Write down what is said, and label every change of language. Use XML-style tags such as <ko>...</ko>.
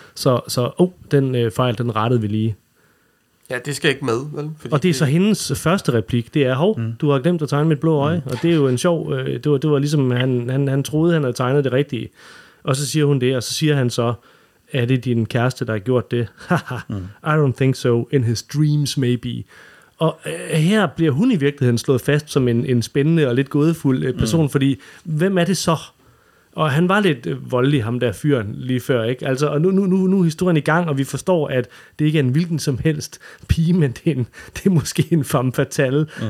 <da>Så den fejl, den rettede vi lige. Ja, det skal ikke med, vel? Fordi og det er så hendes første replik, det er, hov, du har glemt at tegne mit blå øje, og det er jo en sjov... Det var ligesom, han troede, han havde tegnet det rigtige. Og så siger hun det, og så siger han så, er det din kæreste, der har gjort det?</da> <en>Haha, I don't think so, in his dreams maybe.</en> <da>Og her bliver hun i virkeligheden slået fast som en spændende og lidt gådefuld person, fordi hvem er det så? Og han var lidt voldelig, ham der fyren, lige før, ikke? Altså, og nu er historien i gang, og vi forstår, at det ikke er en hvilken som helst pige, men det er måske en femme fatale.</da>